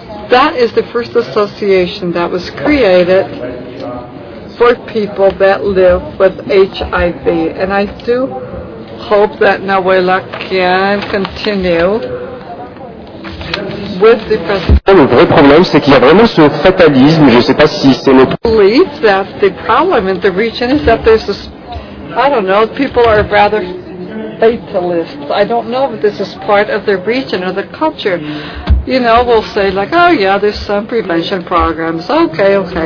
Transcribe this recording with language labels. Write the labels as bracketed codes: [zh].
[en] That is the first association that was created for people that live with HIV, and I do hope that Nawela can continue with the presentation. [fr] Le vrai problème, c'est qu'il y a vraiment ce fatalisme. Je ne sais pas si c'est le. [en] I believe that the problem in the region is that there's this. I don't know. People are rather fatalists. I don't know if this is part of the region or the culture. You know, we'll say like, oh yeah, there's some prevention programs. Okay.